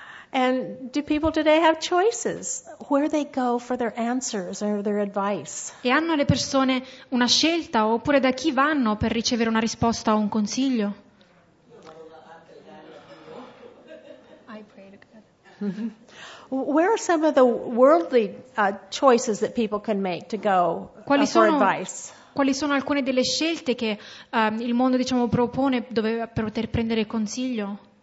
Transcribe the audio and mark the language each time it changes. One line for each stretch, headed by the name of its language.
English: And do people today have choices where they go for their answers or their advice?
Italian: E hanno le persone una scelta oppure da chi vanno per ricevere una risposta o un consiglio?
English: I pray to God. Where are some of the worldly choices that people can make to go for advice?
Italian: Quali sono alcune delle scelte che il mondo diciamo propone dove per poter prendere consiglio?